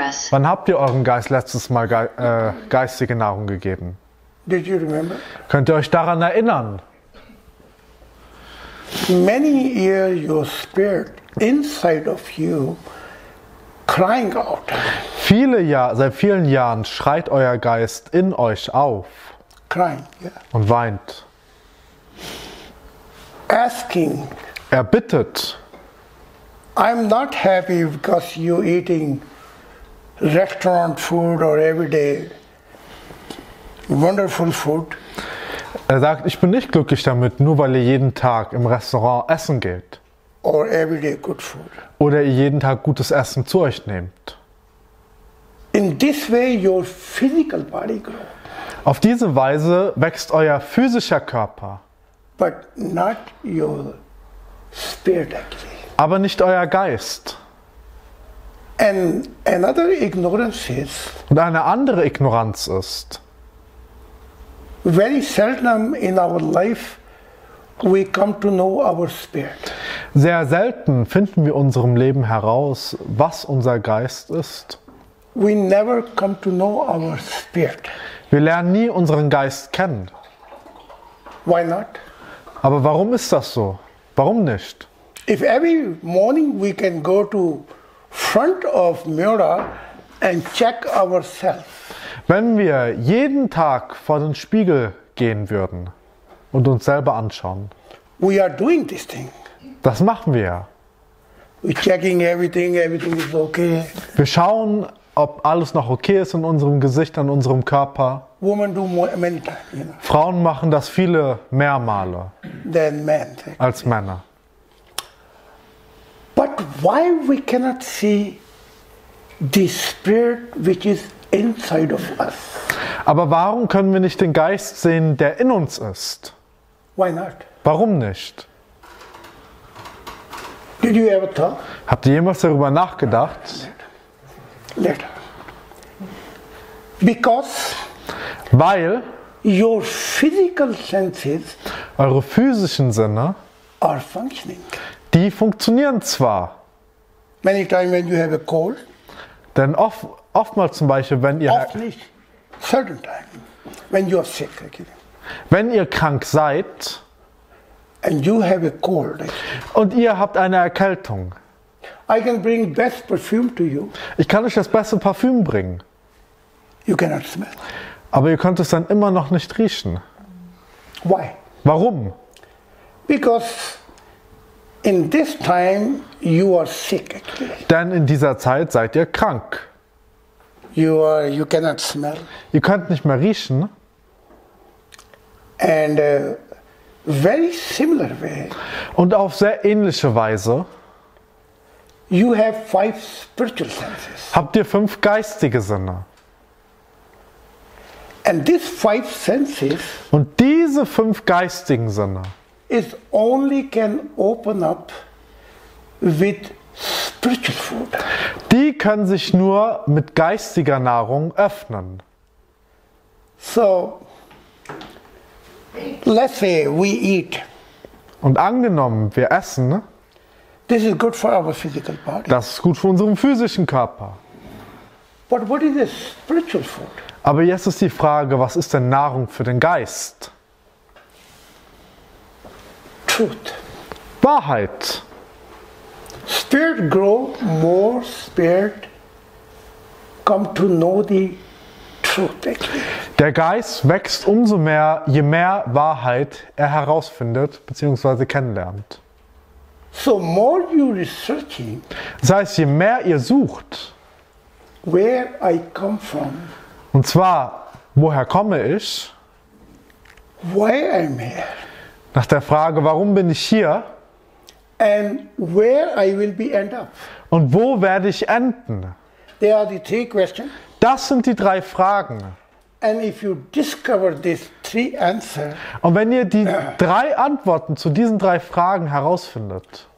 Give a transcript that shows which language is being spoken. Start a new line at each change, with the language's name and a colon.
German: Wann habt ihr eurem Geist letztes Mal geistige Nahrung gegeben?
English: Did you remember?
German: Könnt ihr euch daran erinnern?
English: Many years your spirit inside of you crying out.
German: Seit vielen Jahren schreit euer Geist in euch auf.
English: Crying, yeah.
German: Und weint.
English: Asking.
German: Er bittet.
English: I'm not happy because you eating restaurant food or everyday wonderful food.
German: Er sagt, ich bin nicht glücklich damit, nur weil ihr jeden Tag im Restaurant essen geht.
English: Or everyday good food.
German: Oder ihr jeden Tag gutes Essen zu euch nehmt.
English: In this way your physical body grows.
German: Auf diese Weise wächst euer physischer Körper.
English: But not your spirit actually.
German: Aber nicht euer Geist.
English: And another ignorance is,
German: und eine andere Ignoranz ist,
English: very seldom in our life we come to know our spirit.
German: Sehr selten finden wir in unserem Leben heraus, was unser Geist ist.
English: We never come to know our spirit.
German: Wir lernen nie unseren Geist kennen.
English: Why not?
German: Aber warum ist das so? Warum nicht?
English: If every morning we can go to front of mirror and check ourselves.
German: Wenn wir jeden Tag vor den Spiegel gehen würden und uns selber anschauen.
English: We are doing this thing.
German: Das machen wir.
English: We're checking everything, everything is okay.
German: Wir schauen, ob alles noch okay ist in unserem Gesicht, an unserem Körper.
English: Women do more, many times, you know.
German: Frauen machen das viele mehr Male
English: than men, exactly.
German: Als Männer.
English: But why we cannot see the spirit which is inside of us?
German: Aber warum können wir nicht den Geist sehen, der in uns ist?
English: Why not?
German: Warum nicht?
English: Did you ever talk?
German: Habt ihr jemals darüber nachgedacht?
English: Later. Because
German: weil
English: your physical senses,
German: eure physischen Sinne,
English: are functioning.
German: Die funktionieren zwar.
English: Many times when you have a cold.
German: Denn oftmals zum Beispiel, wenn ihr oft nicht.
English: Certain times when you are sick. Okay.
German: Wenn ihr krank seid.
English: And you have a cold.
German: Und ihr habt eine Erkältung.
English: I can bring best perfume to you.
German: Ich kann euch das beste Parfüm bringen.
English: You cannot smell.
German: Aber ihr könnt es dann immer noch nicht riechen.
English: Why?
German: Warum?
English: Because in this time you are sick.
German: Denn in dieser Zeit seid ihr krank.
English: You cannot smell.
German: Ihr könnt nicht mehr riechen.
English: And very similar way.
German: Und auf sehr ähnliche Weise.
English: You have five spiritual senses.
German: Habt ihr fünf geistige Sinne?
English: And these five senses.
German: Und diese fünf geistigen Sinne.
English: Is only can open up with spiritual food.
German: Die können sich nur mit geistiger Nahrung öffnen.
English: So. Let's say we eat.
German: Und angenommen, wir essen.
English: This is good for our physical body.
German: Das ist gut für unseren physischen Körper.
English: But what is this spiritual food?
German: Aber jetzt ist die Frage, was ist denn Nahrung für den Geist?
English: Truth.
German: Wahrheit.
English: Spirit grow, more spirit come to know the truth.
German: Der Geist wächst umso mehr, je mehr Wahrheit er herausfindet bzw. kennenlernt.
English: So more you researching.
German: Das heißt, je mehr ihr sucht.
English: Where I come from.
German: Und zwar, woher komme ich?
English: Why I'm here.
German: Nach der Frage, warum bin ich hier?
English: And where I will be end up.
German: Und wo werde ich enden?
English: There are the three questions.
German: Das sind die drei Fragen.
English: And if you discover these three answers,
German: und wenn ihr die drei Antworten zu diesen drei Fragen herausfindet,